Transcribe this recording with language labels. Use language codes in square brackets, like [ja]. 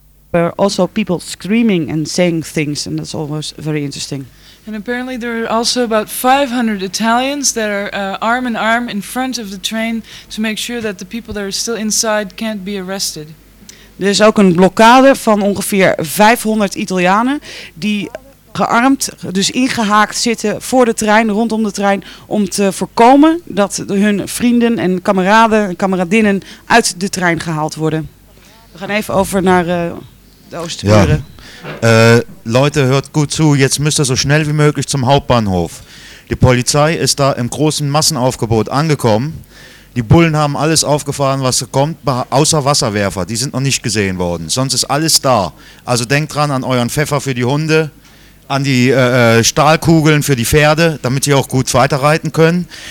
[en] but also people screaming and saying things, and that's always very interesting. And apparently there are also about 500 Italians that are arm in arm in front of the train to make sure that the people that are still inside can't be arrested. [nl] Er is ook een blokkade van ongeveer 500 Italianen die gearmd, dus ingehaakt zitten voor de trein, rondom de trein, om te voorkomen dat hun vrienden en kameraden en kameradinnen uit de trein gehaald worden. We gaan even over naar de Oosterburen. Ja. [de] Leute, hört gut zu, jetzt müsst ihr so schnell wie möglich zum Hauptbahnhof. Die Polizei ist da im großen Massenaufgebot angekommen. Die Bullen haben alles aufgefahren, was kommt, außer Wasserwerfer. Die sind noch nicht gesehen worden. Sonst ist alles da. Also denkt dran an euren Pfeffer für die Hunde, an die Stahlkugeln für die Pferde, damit sie auch gut weiterreiten können.